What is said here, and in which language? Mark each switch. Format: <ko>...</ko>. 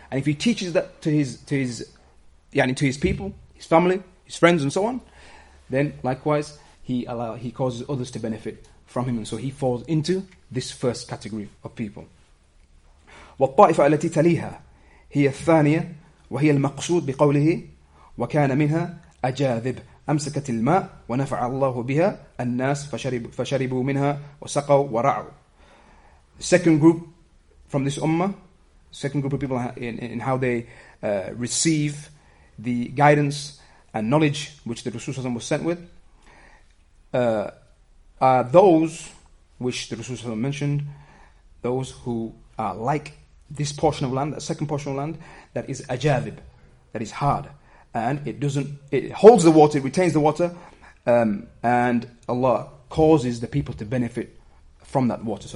<en>And if he teaches that to his people, his family, his friends, and so on, then likewise he causes others to benefit from him, and so he falls into this first category of people.</en> <ar>وَالطَّائِفَةَ الَّتِي تَلِيهَا هِيَ الثَّانِيَةَ وهي المقصود بقوله وكان منها أجاذب أمسكت الماء ونفع الله بها الناس فشربوا منها وسقوا ورعوا.</ar> <en>Second group from this ummah, second group of people in how they receive the guidance and knowledge which the Rasul ﷺ was sent with, are those which the Rasul ﷺ mentioned, those who are like this portion of land, that second portion of land that is ajadib, that is hard, and it holds the water, it retains the water, and Allah causes the people to benefit from that water.</en>